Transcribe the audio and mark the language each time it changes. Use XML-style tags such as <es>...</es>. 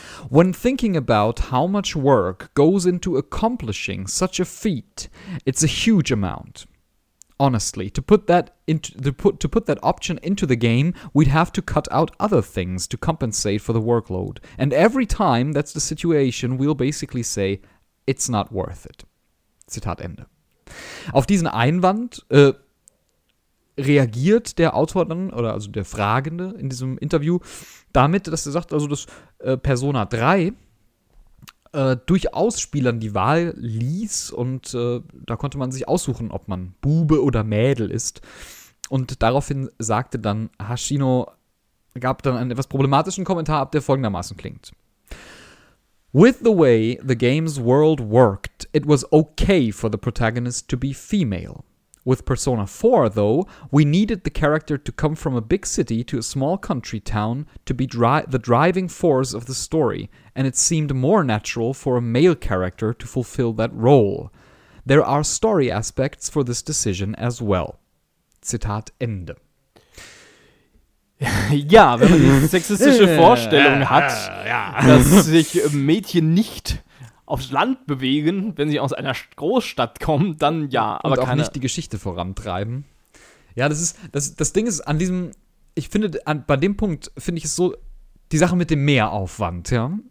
<en>When thinking about how much work goes into accomplishing such a feat, it's a huge amount. Honestly, to put that option into the game, we'd have to cut out other things to compensate for the workload. And every time that's the situation, we'll basically say, it's not worth it.</en> <de>Zitat Ende. Auf diesen Einwand reagiert der Autor dann, oder also der Fragende in diesem Interview, damit, dass er sagt, also dass Persona 3 durchaus Spielern die Wahl ließ und da konnte man sich aussuchen, ob man Bube oder Mädel ist. Und daraufhin sagte dann Hashino, gab dann einen etwas problematischen Kommentar ab, der folgendermaßen klingt:</de> <en>With the way the game's world worked, it was okay for the protagonist to be female. With Persona 4, though, we needed the character to come from a big city to a small country town to be the driving force of the story, and it seemed more natural for a male character to fulfill that role. There are story aspects for this decision as well.</en> <de>Zitat Ende. Ja, wenn man die sexistische Vorstellung hat, dass sich Mädchen nicht aufs Land bewegen, wenn sie aus einer Großstadt kommen, dann ja. Aber auch nicht die Geschichte vorantreiben. Ja, das Ding ist an diesem, ich finde, bei dem Punkt finde ich es so, die Sache mit dem Mehraufwand, ja.</de>